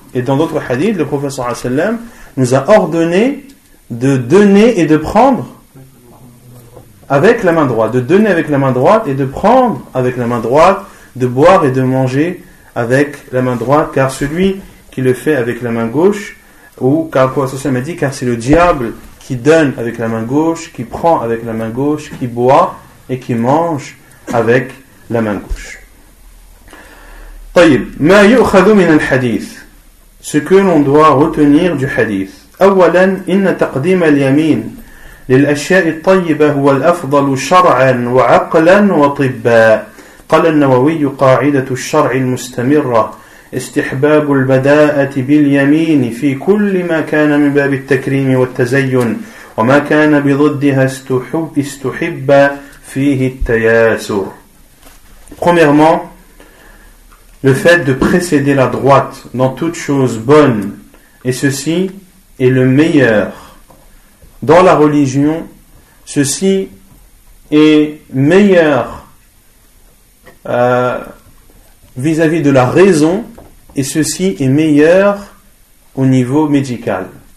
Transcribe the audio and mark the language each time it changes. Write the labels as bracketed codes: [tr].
[fr] Et dans d'autres hadiths, le professeur nous a ordonné de donner et de prendre avec la main droite, de donner avec la main droite et de prendre avec la main droite, de boire et de manger avec la main droite, car celui qui le fait avec la main gauche, ou car quoi, ça m'a dit, car c'est le diable qui donne avec la main gauche, qui prend avec la main gauche, qui boit et qui mange avec la main gauche. [ar] طيب ما يؤخذ من الحديث [fr] ce que l'on doit retenir du hadith. [ar] اولا ان تقديم اليمين للاشياء الطيبه هو الافضل شرعا وعقلا وطبا. قال النووي قاعدة الشرع المستمرة استحباب البداءة باليمين في كل ما كان من باب التكريم والتزين وما كان بضدها استحب فيه التياسر. [fr] Premièrement, le fait de précéder la droite dans toute chose bonne, et ceci est le meilleur. Dans la religion, ceci est meilleur vis-à-vis de la raison, et ceci est meilleur au niveau médical.